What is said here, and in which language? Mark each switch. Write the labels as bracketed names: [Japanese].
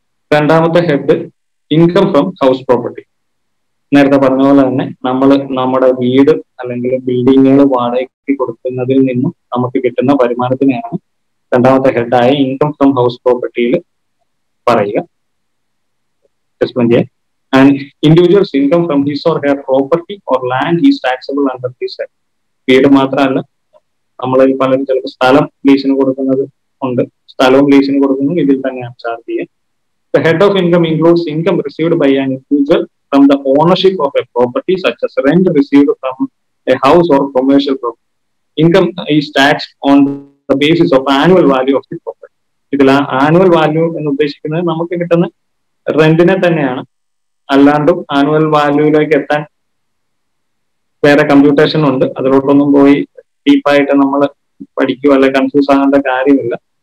[Malayalam] രണ്ടാമത്തെ head income from house property. നേരത്തെ പറഞ്ഞ പോലെ തന്നെ നമ്മൾ നമ്മുടെ വീട് അല്ലെങ്കിൽ ബിൽഡിങ്ങുകൾ വാടകയ്ക്ക് കൊടുക്കുന്നതിൽ നിന്നും നമുക്ക് കിട്ടുന്ന വരുമാനത്തിനെയാണ് രണ്ടാമത്തെ ഹെഡായ ഇൻകം ഫ്രം ഹൗസ് പ്രോപ്പർട്ടിയിൽ പറയുക. [English] And individuals income from his or her property or land is taxable under this head. [Malayalam] വീട് മാത്രമല്ല, നമ്മൾ പലരും ചിലപ്പോൾ സ്ഥലം ലീസിന് കൊടുക്കുന്നത് ഉണ്ട്, സ്ഥലവും ലീസിന് കൊടുക്കുന്നു, ഇതിൽ തന്നെയാണ് ചാർജ് ചെയ്യുക. [English] The head of income includes income received by an individual from the ownership of a property such as rent received from a house or commercial property. Income is taxed on the basis of annual value of the property. [Malayalam] ഇതില annual value എന്ന് ഉദ്ദേശിക്കുന്നത് നമുക്ക് കിട്ടുന്ന റെന്റിനെ തന്നെയാണ്, അല്ലാണ്ടും annual വാല്യൂയിലേക്ക് എത്താൻ വേറെ computation ഉണ്ട്, അതിലോട്ടൊന്നും പോയി ഡീപ്പായിട്ട് നമ്മൾ പഠിക്കുകയോ അല്ലെങ്കിൽ കൺഫ്യൂസ് ആകേണ്ട കാര്യമില്ല.